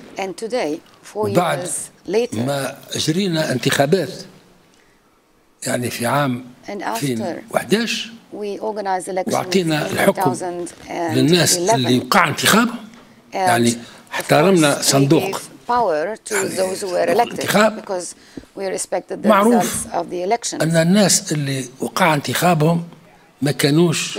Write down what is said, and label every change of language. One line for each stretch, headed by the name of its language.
English: and today 4 years later
Arabic: ما جرينا انتخابات يعني في عام
English: and after 2011 we organized elections
Arabic: وعطينا الحكم للناس اللي وقع انتخاب يعني احترمنا صندوق
English: power to يعني those who were elected
Arabic: انتخاب
English: because we respected the results of the elections.
Arabic: أن الناس اللي وقع انتخابهم ما كانوش